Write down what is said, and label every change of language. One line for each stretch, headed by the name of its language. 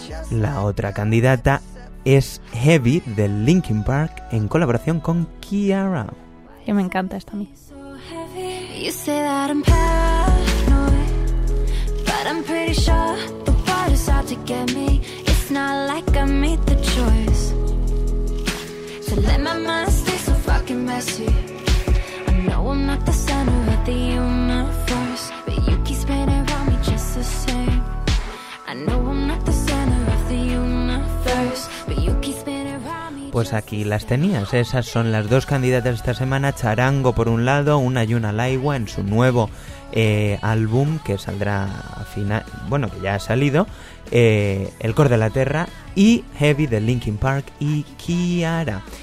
Spanish: La otra candidata es Heavy, del Linkin Park, en colaboración con Kiara. Que me encanta esta a mí.
English: You say that I'm paranoid, but I'm pretty sure the world is out to get me. It's not like I made the choice to let my mind stay so fucking messy. I know I'm not the center of the universe, but you keep spinning around me just the same. I know I'm not the center of the universe, but you keep spinning.
Spanish: Pues aquí las tenías, esas son las dos candidatas esta semana, Charango por un lado, Una y una al agua en su nuevo álbum que saldrá a final, bueno, que ya ha salido, El Cor de la Terra, y Heavy de Linkin Park y Kiara.